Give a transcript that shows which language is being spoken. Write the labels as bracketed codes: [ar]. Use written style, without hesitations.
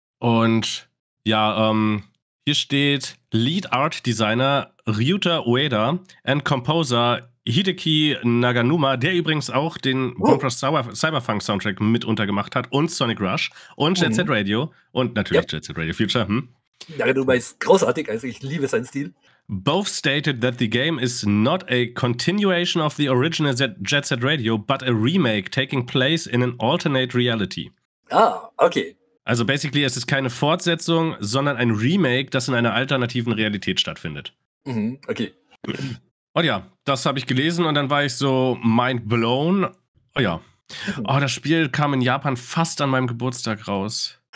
[de] Und ja, hier steht Lead Art Designer Ryuta Ueda and Composer Hideki Naganuma, der übrigens auch den Bomb Rush Cyberpunk Soundtrack mitunter gemacht hat und Sonic Rush und Jet Set Radio und natürlich Jet Set Radio Future. Hm? Naganuma ist großartig, also ich liebe seinen Stil. [en] Both stated that the game is not a continuation of the original Jet Set Radio, but a remake taking place in an alternate reality. Ah, okay. [de] Also basically, es ist keine Fortsetzung, sondern ein Remake, das in einer alternativen Realität stattfindet. Mhm, okay. Und ja, das habe ich gelesen und dann war ich so mind blown. Oh ja. Oh, das Spiel kam in Japan fast an meinem Geburtstag raus.